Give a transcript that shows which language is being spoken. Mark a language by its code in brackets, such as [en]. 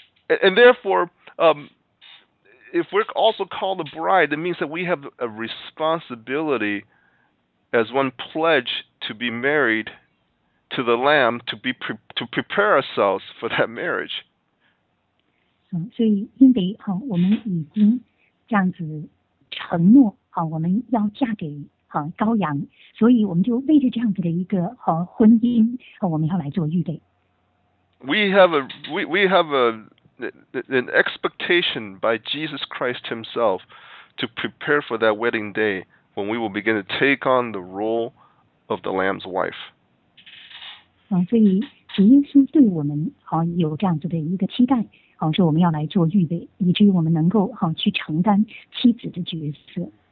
[en] And therefore, if we're also called a bride, it means that we have a responsibility as one pledge to be married to the Lamb to prepare ourselves for that marriage. [zh] 所以因为我们已经这样子承诺我们要嫁给羔羊，所以我们就为着这样子的一个婚姻我们要来做预备。 [en] We have an expectation by Jesus Christ himself to prepare for that wedding day when we will begin to take on the role of the Lamb's wife. [zh] 所以主耶稣对我们有这样子的一个期待说我们要来做预备，以至于我们能够去承担妻子的角色。